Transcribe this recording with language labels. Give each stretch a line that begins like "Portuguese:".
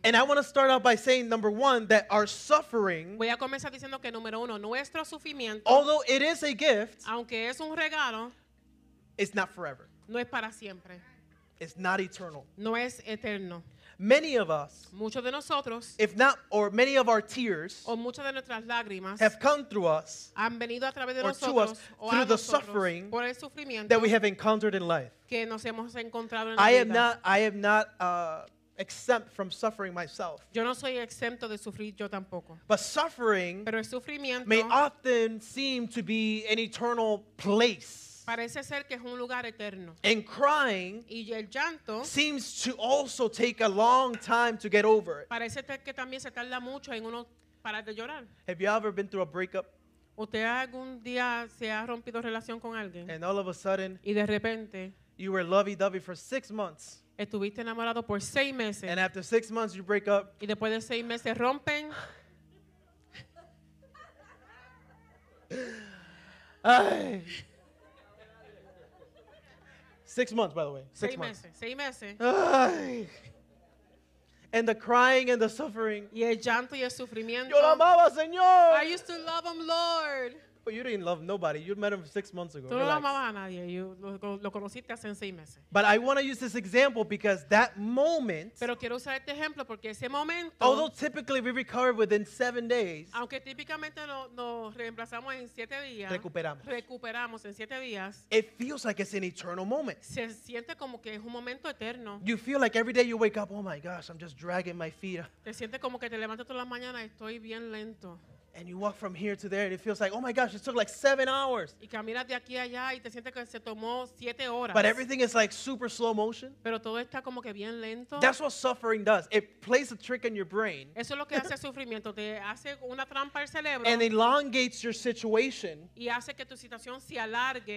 English: And I want to start out by saying, number one, that our suffering,
Spanish: voy a comenzar diciendo que, número uno, nuestro sufrimiento,
English: although it is a gift,
Spanish: aunque es un regalo,
English: it's not forever.
Spanish: No es para siempre.
English: It's not eternal.
Spanish: No es eterno.
English: Many of us,
Spanish: muchos de nosotros,
English: if not, or many of our tears,
Spanish: o muchas de nuestras lágrimas,
English: have come through us,
Spanish: han venido a través de
English: or
Spanish: nosotros,
English: to us,
Spanish: o
English: through a the
Spanish: nosotros,
English: suffering,
Spanish: por el sufrimiento,
English: that we have encountered in life.
Spanish: Que nos hemos encontrado en
English: I
Spanish: la vida.
English: Am not, I am not exempt from suffering myself.
Spanish: Yo no soy exento de sufrir, yo tampoco.
English: But suffering,
Spanish: pero el sufrimiento,
English: may often seem to be an eternal place.
Spanish: Parece ser que es un lugar eterno.
English: And crying,
Spanish: y el llanto,
English: seems to also take a long time to get over it.
Spanish: Parece ser que también se tarda mucho en uno parar de llorar.
English: Have you ever been through a breakup?
Spanish: ¿Usted algún día se ha rompido relación con alguien?
English: And all of a sudden,
Spanish: y de repente,
English: you were lovey-dovey for 6 months.
Spanish: Estuviste enamorado por 6 meses.
English: And after 6 months, you break up.
Spanish: Y después de 6 meses rompen. Ay.
English: 6 months, by the way.
Spanish: Seis meses.
English: And the crying and the suffering.
Spanish: Y el llanto y el sufrimiento. Yo lo amaba, Señor.
English: I used to love him, Lord. But you didn't love nobody. You met him 6 months ago.
Spanish: Tú no amabas a nadie. Lo conociste hace 6 meses.
English: But I want to use this example because that moment,
Spanish: pero quiero usar este ejemplo porque ese momento,
English: although typically we recover within 7 days,
Spanish: aunque típicamente nos reemplazamos en 7 días, recuperamos en 7 días,
English: it feels like it's an eternal moment.
Spanish: Se siente como que es un momento eterno.
English: You feel like every day you wake up, oh my gosh, I'm just dragging my feet.
Spanish: Te sientes como que te levantas todas las mañanas, estoy bien lento.
English: And you walk from here to there, and it feels like, oh my gosh, it took like 7 hours.
Spanish: Y caminas de aquí allá, y te sientes que se tomó 7 horas.
English: But everything is like super slow motion.
Spanish: Pero todo está como que bien lento.
English: That's what suffering does. It plays a trick in your brain.
Spanish: Eso es lo que hace sufrimiento. Te hace una trampa al cerebro.
English: And elongates your situation.
Spanish: Y hace que tu situación se alargue.